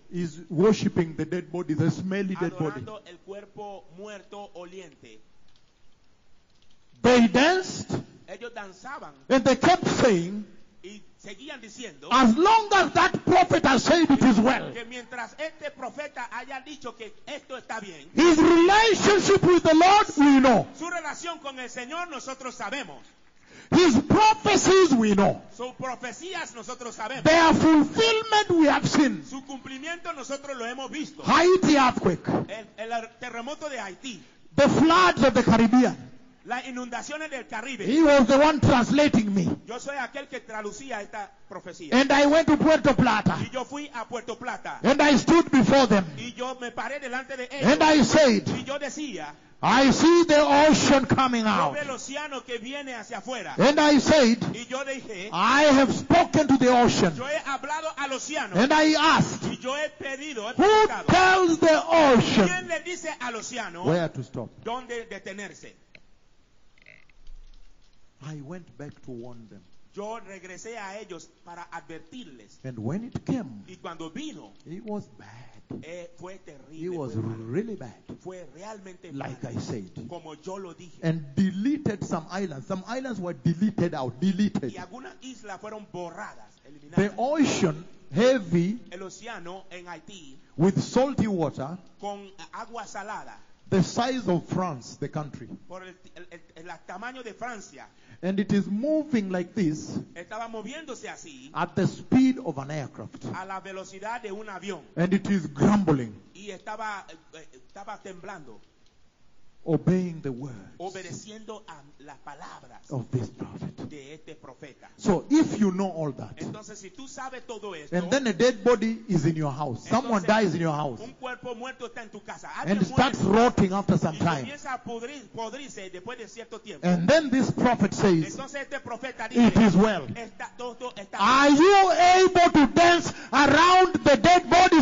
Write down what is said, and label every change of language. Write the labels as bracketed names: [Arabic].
[English] is worshipping the dead body, the smelly dead body. [Spanish] Adorando el cuerpo muerto oliente. [English] They danced. [Spanish] Ellos danzaban. [English] And they kept saying, [Spanish] y seguían diciendo, [English] as long as that prophet has said it is well, [Spanish] que mientras este profeta haya dicho que esto está bien, [English] his relationship with the Lord, we know. [Spanish] Su relación con el Señor, nosotros sabemos. [English] His prophecies, we know. [Spanish] Su profecías, nosotros sabemos. [English] Their fulfillment, we have seen. [Spanish] Su cumplimiento, nosotros lo hemos visto. [English] Haiti earthquake. [Spanish] El terremoto de Haití. [English] The floods of the Caribbean. [Spanish] La inundación del Caribe. [English] He was the one translating me. [Spanish] Yo soy aquel que traducía esta profecía. [English] And I went to Puerto Plata. [Spanish] Y yo fui a Puerto Plata. [English] And I stood before them. [Spanish] Y yo me paré delante de ellos. [English] And I said, [Spanish] y yo decía, [English] I see the ocean coming out. [Spanish] Yo veo el océano que viene hacia afuera. [English] And I said, [Spanish] y yo dije, [English] I have spoken to the ocean. [Spanish] Yo he hablado al océano. [English] And I asked, [Spanish] y yo he pedido, [English] who tells the ocean, [Spanish] ¿quién le dice al océano, [English] where to stop? [Spanish] ¿Dónde detenerse? [English] I went back to warn them. [Spanish] Yo regresé a ellos para advertirles. [English] And when it came, [Spanish] y cuando vino, [English] it was bad. [Spanish] Fue terrible. [English] It was really bad. [Spanish] Fue realmente [English] like [Spanish] mal, [English] I said. [Spanish] Como yo lo dije. [English] And deleted some islands. Some islands were deleted out. Deleted. [Spanish] Y algunas islas fueron borradas, eliminadas. [English] The ocean, heavy, [Spanish] el océano en Haití, [English] with salty water, [Spanish] con agua salada, [English] the size of France, the country. [Spanish] Por el tamaño de Francia. [English] And it is moving like this. [Spanish] Estaba moviéndose así. [English] At the speed of an aircraft. [Spanish] A la velocidad de un avión. [English] And it is grumbling. [Spanish] Y estaba temblando. [English] Obeying the words. [Spanish] Obedeciendo a las palabras. [English] Of this prophet. [Spanish] De este profeta. [English] So if you know all that. [Spanish] Entonces, si tú sabes todo esto, [English] and then a dead body is in your house. [Spanish] Entonces, [English] someone dies in your house. [Spanish] Un cuerpo muerto está en tu casa. [English] And muerto, starts rotting after some time. [Spanish] Y comienza a podrirse después de cierto tiempo. [English] And then this prophet says. [Spanish] Entonces, este profeta dice, [English] it is well. [Spanish] Está, todo, está. [English] Are you able to dance around the dead body?